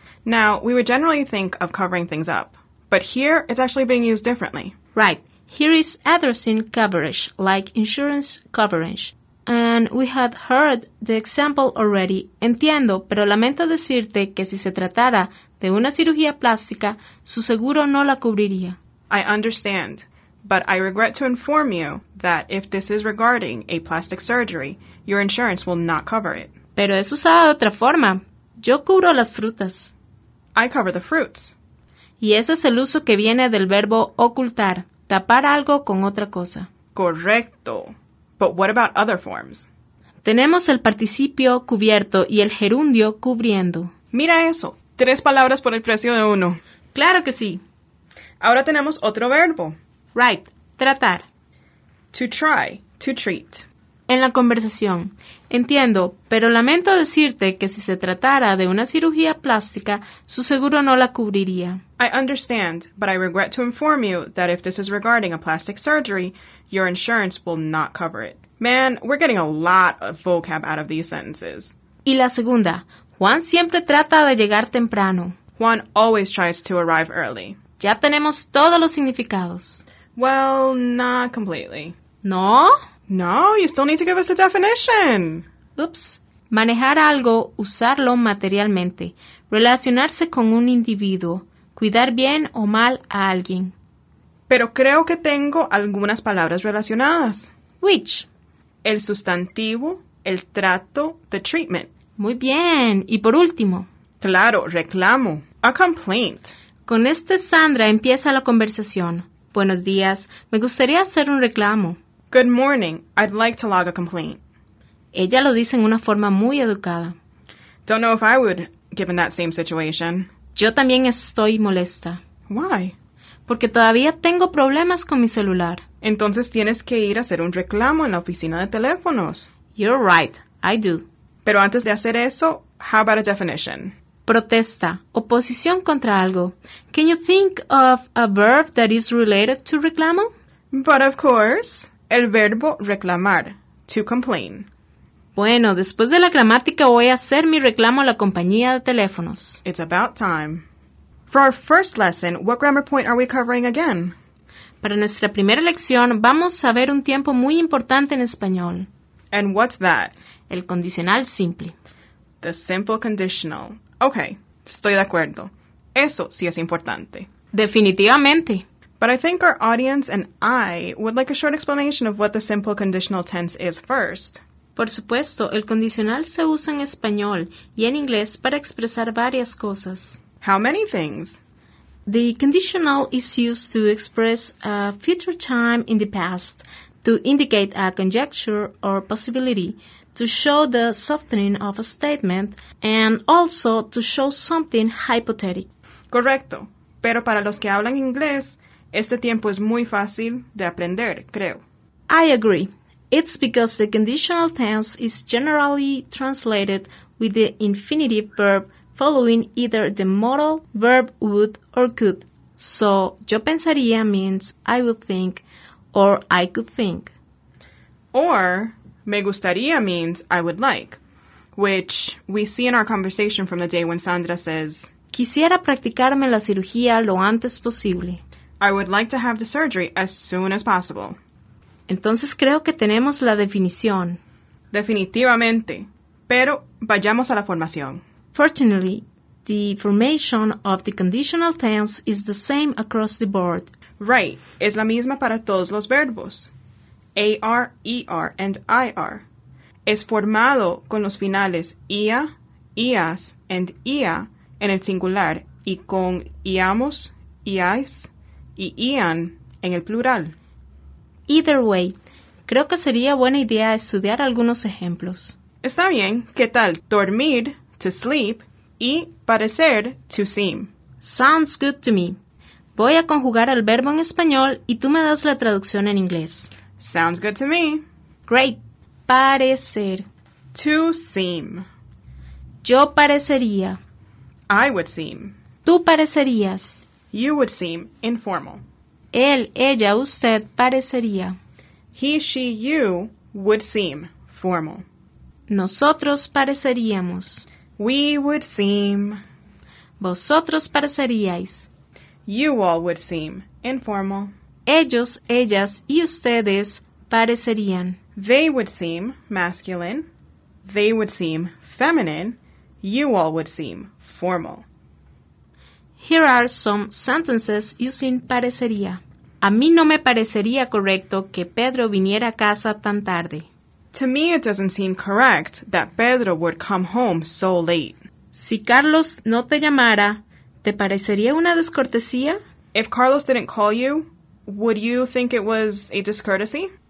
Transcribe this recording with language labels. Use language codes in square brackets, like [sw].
[en] Now, we would generally think of covering things up, but here it's actually being used differently. Right. Here is addressing coverage, like insurance coverage. And we had heard the example already. [es] Entiendo, pero lamento decirte que si se tratara de una cirugía plástica, su seguro no la cubriría. [en] I understand, but I regret to inform you that if this is regarding a plastic surgery, your insurance will not cover it. [es] Pero es usada de otra forma. Yo cubro las frutas. [en] I cover the fruits. [es] Y ese es el uso que viene del verbo ocultar, tapar algo con otra cosa. Correcto. [en] But what about other forms? [es] Tenemos el participio cubierto y el gerundio cubriendo. Mira eso. Tres palabras por el precio de uno. Claro que sí. Ahora tenemos otro verbo. [en] Right. Tratar. To try, to treat. [es] En la conversación, entiendo, pero lamento decirte que si se tratara de una cirugía plástica, su seguro no la cubriría. [en] I understand, but I regret to inform you that if this is regarding a plastic surgery, your insurance will not cover it. Man, we're getting a lot of vocab out of these sentences. [es] Y la segunda, Juan siempre trata de llegar temprano. [en] Juan always tries to arrive early. [es] Ya tenemos todos los significados. [en] Well, not completely. [es] ¿No? [en] No, you still need to give us the definition. [es] Oops. Manejar algo, usarlo materialmente. Relacionarse con un individuo. Cuidar bien o mal a alguien. Pero creo que tengo algunas palabras relacionadas. [en] Which? [es] El sustantivo, el trato, [en] the treatment. [es] Muy bien. Y por último. Claro, reclamo. [en] A complaint. [es] Con este Sandra empieza la conversación. Buenos días. Me gustaría hacer un reclamo. [en] Good morning. I'd like to log a complaint. [es] Ella lo dice en una forma muy educada. [en] Don't know if I would, given that same situation. [es] Yo también estoy molesta. [en] Why? [es] Porque todavía tengo problemas con mi celular. Entonces tienes que ir a hacer un reclamo en la oficina de teléfonos. [en] You're right. I do. [es] Pero antes de hacer eso, [en] how about a definition? [es] Protesta. Oposición contra algo. [en] Can you think of a verb that is related to reclamo? But of course. [es] El verbo reclamar, [en] to complain. [es] Bueno, después de la gramática voy a hacer mi reclamo a la compañía de teléfonos. [en] It's about time. For our first lesson, what grammar point are we covering again? [es] Para nuestra primera lección, vamos a ver un tiempo muy importante en español. [en] And what's that? [es] El condicional simple. [en] The simple conditional. Okay, [es] estoy de acuerdo. Eso sí es importante. Definitivamente. [en] But I think our audience and I would like a short explanation of what the simple conditional tense is first. [es] Por supuesto, el condicional se usa en español y en inglés para expresar varias cosas. [en] How many things? The conditional is used to express a future time in the past, to indicate a conjecture or possibility, to show the softening of a statement, and also to show something hypothetical. [es] Correcto. Pero para los que hablan inglés, este tiempo es muy fácil de aprender, creo. [en] I agree. It's because the conditional tense is generally translated with the infinitive verb following either the modal verb would or could. So, [es] yo pensaría [en] means I would think or I could think. Or, [es] me gustaría [en] means I would like, which we see in our conversation from the day when Sandra says, [es] quisiera practicarme la cirugía lo antes posible. [en] I would like to have the surgery as soon as possible. [es] Entonces creo que tenemos la definición. Definitivamente. Pero vayamos a la formación. [en] Fortunately, the formation of the conditional tense is the same across the board. Right. [es] Es la misma para todos los verbos. AR, ER, and IR. Es formado con los finales IA, IAS, and IA en el singular y con IAMOS, IAIS, y Ian en el plural. [en] Either way, [es] creo que sería buena idea estudiar algunos ejemplos. Está bien. ¿Qué tal? Dormir, [en] to sleep, [es] y parecer, [en] to seem. Sounds good to me. [es] Voy a conjugar el verbo en español y tú me das la traducción en inglés. [en] Sounds good to me. Great. Parecer. To seem. [es] Yo parecería. [en] I would seem. [es] Tú parecerías. [en] You would seem informal. [es] Él, ella, usted parecería. [en] He, she, you would seem formal. [es] Nosotros pareceríamos. [en] We would seem. [es] Vosotros pareceríais. [en] You all would seem informal. Ellos, ellas y ustedes parecerían. They would seem masculine. They would seem feminine. You all would seem formal. Here are some sentences using parecería. [es] A mí no me parecería correcto que Pedro viniera a casa tan tarde. [en] To me it doesn't seem correct that Pedro would come home so late. [es] Si Carlos no te llamara, ¿te parecería una descortesía? [en] If Carlos didn't call you, would you think it was a discourtesy?